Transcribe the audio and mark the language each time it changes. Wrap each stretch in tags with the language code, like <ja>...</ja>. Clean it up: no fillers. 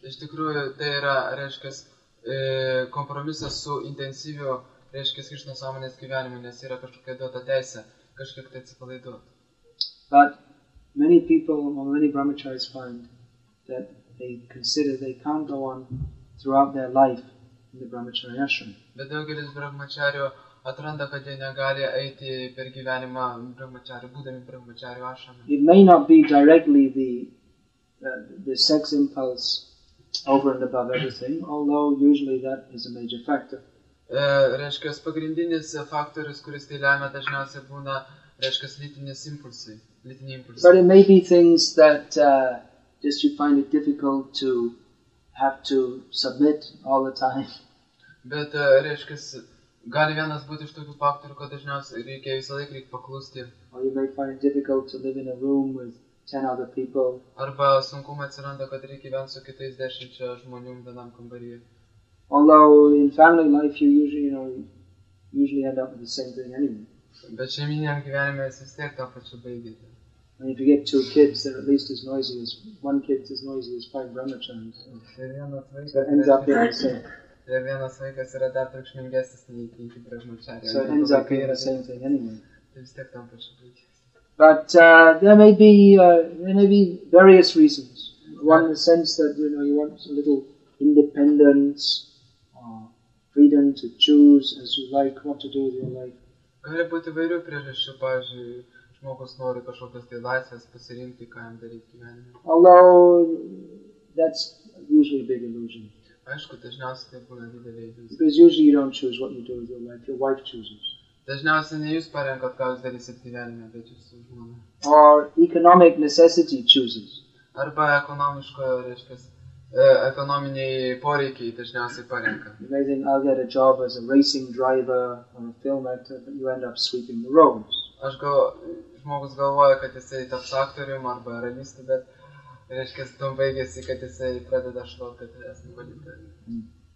<lt>Iš tikrųjų, tai yra, reiškias, kompromisas su intensyviu, reiškias, Krishna sąmonės gyvenimu, nes yra kažkokia duota teisė, kažkiek tai atsipalaiduot.</lt> <en>But many people, or many brahmacharis find that they consider they can't go on throughout their life in the brahmachari ashram.</en> <lt>Bet daugelis brahmacharių atranda, kad jie negali eiti per gyvenimą brahmacharių, būdami brahmacharių ašramą.</lt> <en>It may not be directly the sex impulse over and above everything, although usually that is a major factor.</en> <lt>Reiškia, pagrindinis faktorius, kuris tai lemia, dažniausiai būna, reiškia, lytinis impulsai, lytiniai impulsai.</lt> <en>But it may be things that just you find it difficult to have to submit all the time.</en> <lt>Bet, reiškia, gali vienas būti iš tokių faktorių, kad dažniausiai reikia visą laiką paklusti.</lt> <en>Or you may find it difficult to live in a room with 10 other people.</en> <lt>Arba sunkumai atsiranda, kad reikia gyventi su kitais 10 žmonių vienam kambaryje.</lt> <en>Although in family life you usually end up with the same thing anyway.</en> <lt>Bet šeimininiam gyvenime jis vis tiek tą pačią baigėte.</lt> <en>And if you get two kids, they're at least as noisy as one kid's as noisy as five brahmacharis.</en> <lt>Ir vienas vaikas yra dar triukšmingesnis nei penki brahmacharis.</lt> <en>So it ends up being the same thing anyway.</en> <lt>Tai vis tiek tam pačiu</lt> <en>But there may be various reasons. One in the sense that you want a little independence, freedom to choose as you like what to do with your life.</en> <lt>Gali būti įvairių priežasčių, pavyzdžiui, žmogus nori kažkokios tai laisvės pasirinkti, ką jam daryti gyvenime.</lt> <en>Although that's usually a big illusion.</en> <lt>Aišku, dažniausiai tai būna didelė iliuzija.</lt> <en>Because usually you don't choose what you do with your life, your wife chooses.</en> <lt>Dažniausiai ne jūs parenkat, ką jūs darysit gyvenime, bet jūsų žmona.</lt> <en>Or economic necessity chooses.</en> <lt>Arba ekonomiško, reiškia, ekonominiai poreikiai dažniausiai parenka.</lt> <en>You may think, I'll get a job as a racing driver or a film actor, but you end up sweeping the roads.</en> <lt>Aš žmogus galvoja, kad jisai taps aktorium arba realistu, bet reiškia, tom baigėsi, kad jisai pradeda šlot, kad esu valytojas.</lt>